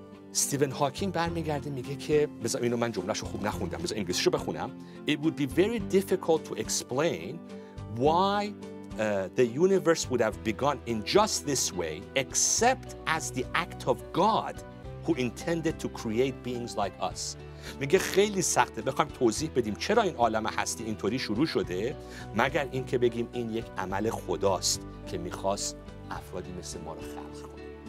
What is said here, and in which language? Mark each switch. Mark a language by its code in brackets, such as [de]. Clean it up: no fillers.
[fa] استیون هاکینگ برمیگرده میگه که، بذار اینو من جملهشو خوب نخوندم، بذار انگلیسیشو بخونم. [en] It would be very difficult to explain why the universe would have begun in just this way, except as the act of God who intended to create beings like us. [fa] میگه خیلی سخته بخوایم توضیح بدیم چرا این عالم هستی اینطوری شروع شده، مگر اینکه بگیم این یک عمل خداست که میخواست افرادی مثل ما رو خلق کنه.